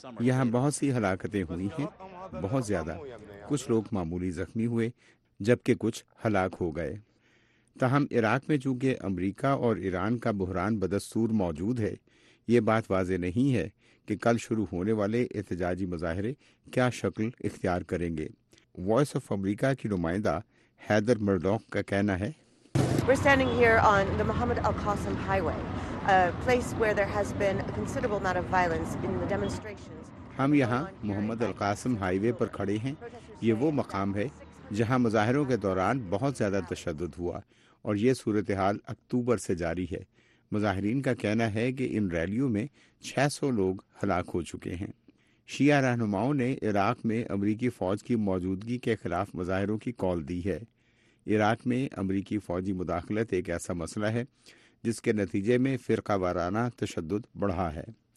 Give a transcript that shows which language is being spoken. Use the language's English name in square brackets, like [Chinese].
[Urdu] یہاں بہت سی ہلاکتیں ہوئی ہیں، بہت زیادہ، کچھ لوگ معمولی زخمی ہوئے جبکہ کچھ ہلاک ہو گئے۔ تاہم عراق میں چونکہ امریکہ اور ایران کا بحران بدستور موجود ہے، یہ بات واضح نہیں ہے کہ کل شروع ہونے والے احتجاجی مظاہرے کیا شکل اختیار کریں گے۔ وائس آف امریکہ کی نمائندہ ہیدر مرڈوک کا کہنا ہے، [English] We're standing here on the Mohammed Al-Qasim Highway, a place where there has been a considerable amount of violence in the demonstrations. [Urdu] ہم یہاں محمد القاسم ہائی وے پر کھڑے ہیں، یہ وہ مقام ہے جہاں مظاہروں کے دوران بہت زیادہ تشدد ہوا، اور یہ صورتحال اکتوبر سے جاری ہے۔ مظاہرین کا کہنا ہے کہ ان ریلیوں میں 600 لوگ ہلاک ہو چکے ہیں۔ شیعہ رہنماؤں نے عراق میں امریکی فوج کی موجودگی کے خلاف مظاہروں کی کال دی ہے۔ عراق میں امریکی فوجی مداخلت ایک ایسا مسئلہ ہے جس کے نتیجے میں فرقہ وارانہ تشدد بڑھا ہے۔